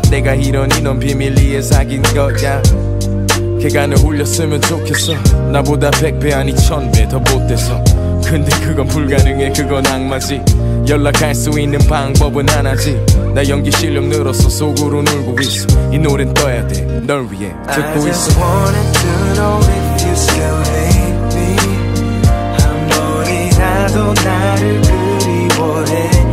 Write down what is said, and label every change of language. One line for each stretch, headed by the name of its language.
Korean: 내가 이러니 넌 비밀리에 사귄 거야. 걔가 널 홀렸으면 좋겠어. 나보다 100배 아니 1000배 더 못돼서. 근데 그건 불가능해. 그건 악마지. 연락할 수 있는 방법은 하나지. 나 연기 실력 늘어서 속으로 울고 있어. 이 노래는 떠야 돼. 널 위해 듣고 있어.
English: I just wanted to know if you still hate me.
Korean: 한 번이라도 나를 그리워해.